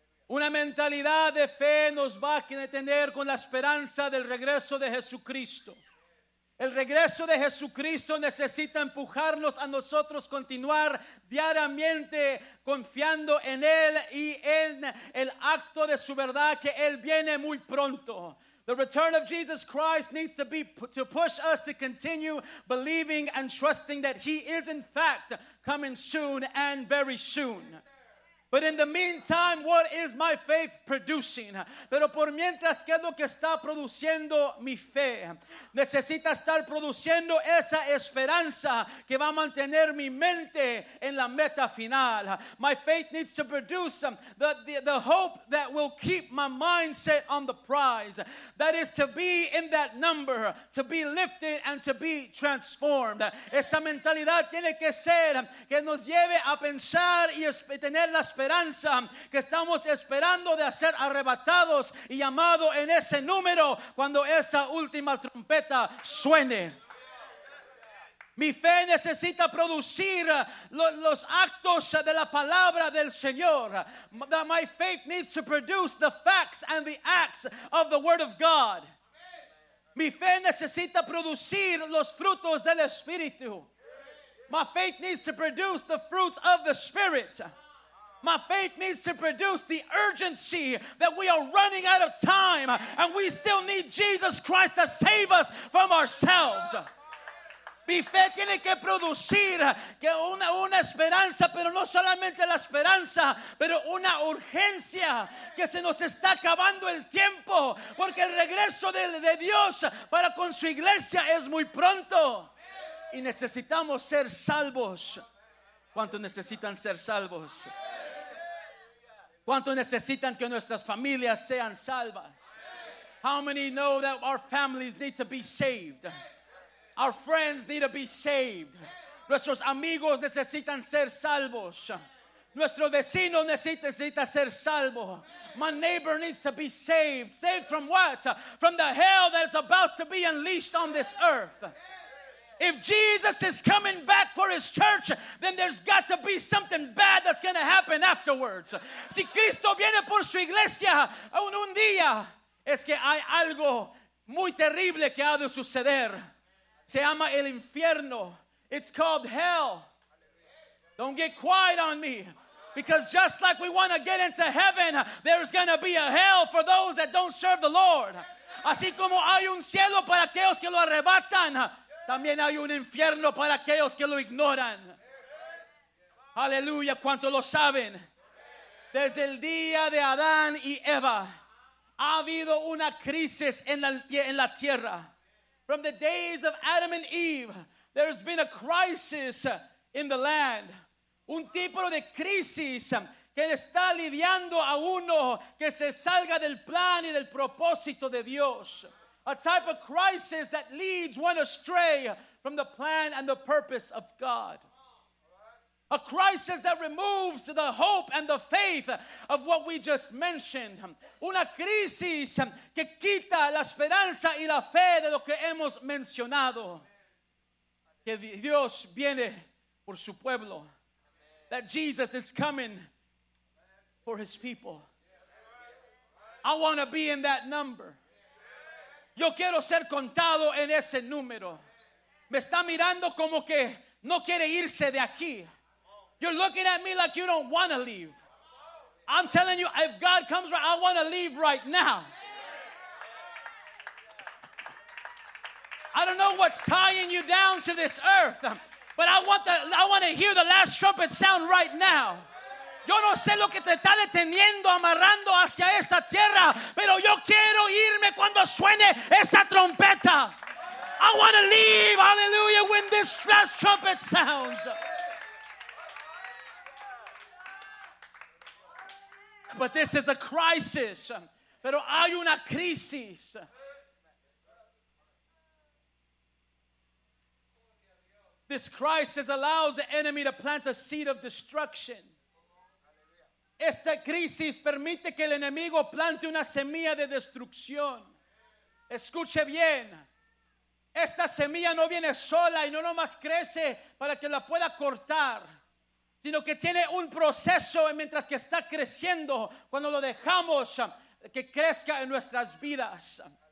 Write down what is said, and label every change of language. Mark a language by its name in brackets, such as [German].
[Spanish] Una mentalidad de fe nos va a tener con la esperanza del regreso de Jesucristo. El regreso de Jesucristo necesita empujarnos a nosotros continuar diariamente confiando en Él y en el acto de su verdad que Él viene muy pronto. [English] The return of Jesus Christ needs to be to push us to continue believing and trusting that He is in fact coming soon and very soon. But in the meantime, what is my faith producing? [Spanish] Pero por mientras, ¿qué es lo que está produciendo mi fe? Necesita estar produciendo esa esperanza que va a mantener mi mente en la meta final. [English] My faith needs to produce the hope that will keep my mindset on the prize. That is to be in that number, to be lifted and to be transformed. [Spanish] Esa mentalidad tiene que ser que nos lleve a pensar y tener la esperanza que estamos esperando de ser arrebatados y llamado en ese número cuando esa última trompeta suene. Mi fe necesita producir los actos de la palabra del Señor. [English] My faith needs to produce the facts and the acts of the word of God. [Spanish] Mi fe necesita producir los frutos del Espíritu. [English] My faith needs to produce the fruits of the Spirit. My faith needs to produce the urgency that we are running out of time and we still need Jesus Christ to save us from ourselves. [Spanish] Mi fe tiene que producir que una esperanza, pero no solamente la esperanza, pero una urgencia que se nos está acabando el tiempo porque el regreso de Dios para con su iglesia es muy pronto y necesitamos ser salvos. ¿Cuántos necesitan ser salvos? ¿Cuántos necesitan que nuestras familias sean salvas? [English] How many know that our families need to be saved? Our friends need to be saved. [Spanish] Nuestros amigos necesitan ser salvos. Nuestro vecino necesita ser salvo. [English] My neighbor needs to be saved. Saved from what? From the hell that is about to be unleashed on this earth. If Jesus is coming back for his church, then there's got to be something bad that's going to happen afterwards. [Spanish] Si Cristo viene por su iglesia, un día es que hay algo muy terrible que ha de suceder. Se llama el infierno. [English] It's called hell. Don't get quiet on me. Because just like we want to get into heaven, there's going to be a hell for those that don't serve the Lord. [Spanish] Así como hay un cielo para aquellos que lo arrebatan, también hay un infierno para aquellos que lo ignoran. Aleluya, ¿cuánto lo saben? Desde el día de Adán y Eva, ha habido una crisis en la tierra. [English] From the days of Adam and Eve, there's been a crisis in the land. [Spanish] Un tipo de crisis que está lidiando a uno que se salga del plan y del propósito de Dios. [English] A type of crisis that leads one astray from the plan and the purpose of God. A crisis that removes the hope and the faith of what we just mentioned. [Spanish] Una crisis que quita la esperanza y la fe de lo que hemos mencionado. Que Dios viene por su pueblo. [English] That Jesus is coming for his people. I want to be in that number. [Spanish] Yo quiero ser contado en ese número. Me está mirando como que no quiere irse de aquí. [English] You're looking at me like you don't want to leave. I'm telling you, if God comes right, I want to leave right now. I don't know what's tying you down to this earth, but I want to hear the last trumpet sound right now. [Spanish] Yo no sé lo que te está deteniendo, amarrando hacia esta tierra, pero yo quiero irme cuando suene esa trompeta. [English] I want to leave, hallelujah, when this last trumpet sounds. But this is a crisis. [Spanish] Pero hay una crisis. [English] This crisis allows the enemy to plant a seed of destruction. [Spanish] Esta crisis permite que el enemigo plante una semilla de destrucción. Escuche bien. Esta semilla no viene sola y no nomás crece para que la pueda cortar, sino que tiene un proceso mientras que está creciendo, cuando lo dejamos que crezca en nuestras vidas.